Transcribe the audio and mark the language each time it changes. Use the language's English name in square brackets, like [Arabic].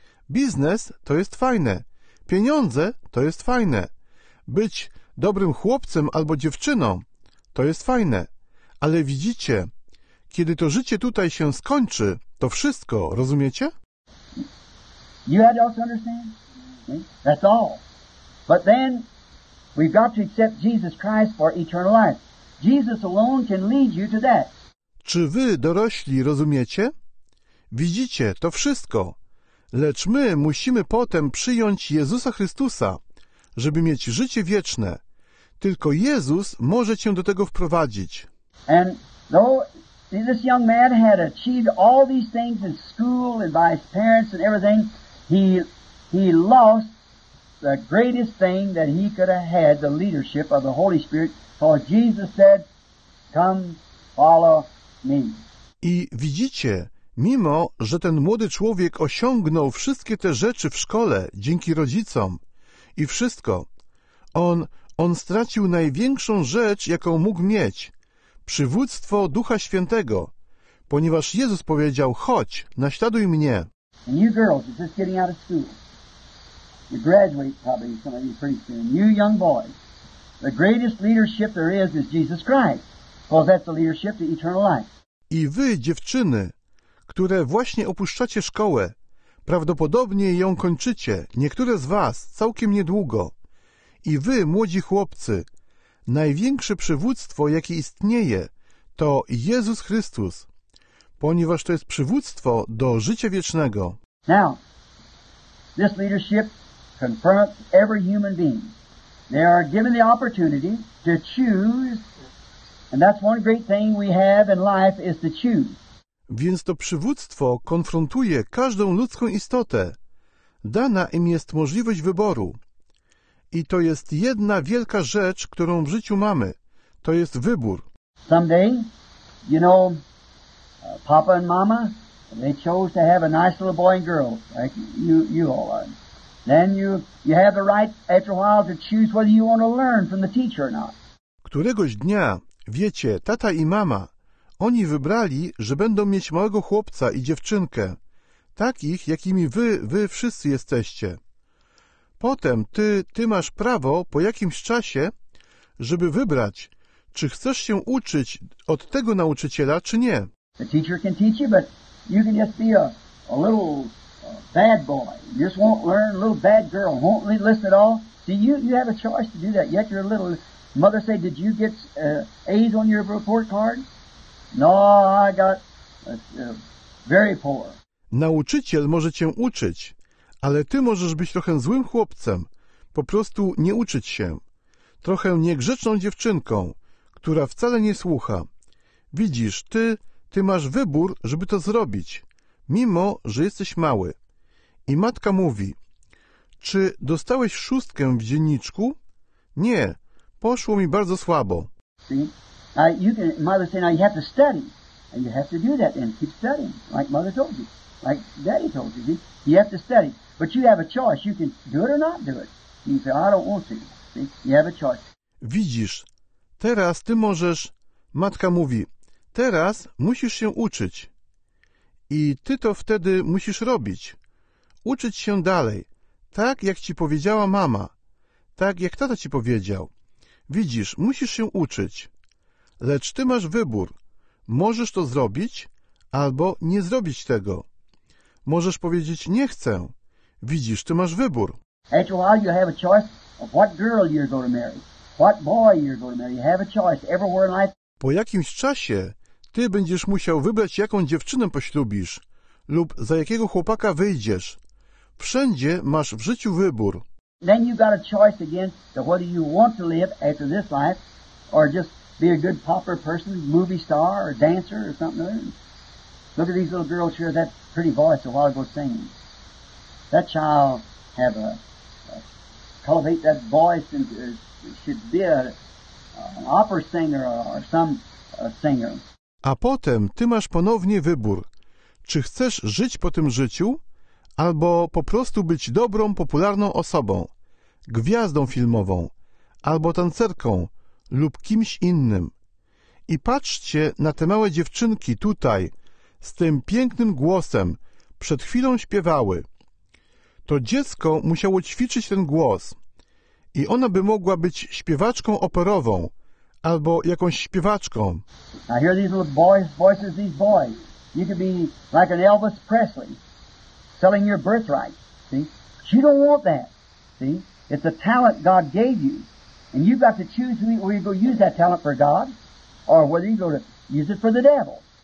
[Polish] Biznes to jest fajne, pieniądze to jest fajne, być dobrym chłopcem albo dziewczyną to jest fajne, ale widzicie, kiedy to życie tutaj się skończy, to wszystko, rozumiecie? [English] You had to also understand. That's all. But then we've got to accept Jesus Christ for eternal life. Jesus alone can lead you to that. [Polish] Czy wy dorośli rozumiecie? Widzicie, to wszystko. Lecz my musimy potem przyjąć Jezusa Chrystusa, żeby mieć życie wieczne. Tylko Jezus może cię do tego wprowadzić. [English] And though this young man had achieved all these things in school and by his parents and everything, he lost the greatest thing that he could have had, the leadership of the Holy Spirit, for Jesus said, come, follow me. [Polish] I widzicie, mimo że ten młody człowiek osiągnął wszystkie te rzeczy w szkole dzięki rodzicom i wszystko, on stracił największą rzecz, jaką mógł mieć. Przywództwo Ducha Świętego, ponieważ Jezus powiedział, chodź, naśladuj mnie. [English] And you girls are just getting out of school. You graduate probably some of you pretty soon. You young boys. The greatest leadership there is Jesus Christ, because that's the leadership to eternal life. [Polish] I wy, dziewczyny, które właśnie opuszczacie szkołę, Prawdopodobnie ją kończycie, niektóre z was, całkiem niedługo. I wy, młodzi chłopcy, największe przywództwo, jakie istnieje, to Jezus Chrystus, ponieważ to jest przywództwo do życia wiecznego. [English] Now, this leadership confronts every human being. They are given the opportunity to choose, and that's one great thing we have in life is to choose. [Polish] Więc to przywództwo konfrontuje każdą ludzką istotę. Dana im jest możliwość wyboru. I to jest jedna wielka rzecz, którą w życiu mamy. To jest wybór. [English] Someday, you know, Papa and Mama, they chose to have a nice little boy and girl, like you all are. Then you have the right, after a while, to choose whether you want to learn from the teacher or not. [Polish] Któregoś dnia, wiecie, tata i mama, oni wybrali, że będą mieć małego chłopca i dziewczynkę, takich, jakimi wy wszyscy jesteście. Potem ty masz prawo po jakimś czasie, żeby wybrać, czy chcesz się uczyć od tego nauczyciela, czy nie. [English] The teacher can teach you, but you can just be a little bad boy. You just won't learn, a little bad girl, won't listen at all. See, you have a choice to do that. Yet your little mother said, did you get A's on your report card? No, I got very poor. [Polish] Nauczyciel może cię uczyć, ale ty możesz być trochę złym chłopcem, po prostu nie uczyć się. Trochę niegrzeczną dziewczynką, która wcale nie słucha. Widzisz, ty masz wybór, żeby to zrobić, mimo że jesteś mały. I matka mówi, czy dostałeś 6 w dzienniczku? Nie, poszło mi bardzo słabo. [English] Mother said, now you have to study, and you have to do that, and keep studying, like mother told you, like daddy told you. You have to study, but you have a choice. You can do it or not do it. You say, I don't want to. You have a choice. [Polish] Widzisz, teraz ty możesz. Matka mówi, teraz musisz się uczyć, i ty to wtedy musisz robić. Uczyć się dalej, tak jak ci powiedziała mama, tak jak tata ci powiedział. Widzisz, musisz się uczyć. Lecz ty masz wybór. Możesz to zrobić, albo nie zrobić tego. Możesz powiedzieć, nie chcę. Widzisz, ty masz wybór. [English] After a while you have a choice of what girl you're going to marry, what boy you're going to marry. You have a choice everywhere in life. [Polish] Po jakimś czasie ty będziesz musiał wybrać, jaką dziewczynę poślubisz lub za jakiego chłopaka wyjdziesz. Wszędzie masz w życiu wybór. [English] Then you got a choice again to whether you want to live after this life or just be a good popular person, movie star or dancer or something like that. Look at these little girls here, that pretty voice a while ago singing. That child have a cultivate that voice and should be an opera singer or some singer. [Polish] A potem ty masz ponownie wybór. Czy chcesz żyć po tym życiu, albo po prostu być dobrą, popularną osobą, gwiazdą filmową, albo tancerką, lub kimś innym. I patrzcie na te małe dziewczynki tutaj, z tym pięknym głosem, przed chwilą śpiewały. To dziecko musiało ćwiczyć ten głos i ona by mogła być śpiewaczką operową, albo jakąś śpiewaczką. [English] Now hear these little boys, voices, these boys. You could be like an Elvis Presley, selling your birthright. See? You don't want that. See? It's a talent God gave you. And you've got to choose whether you go use that talent for God or whether you go to use it for the devil.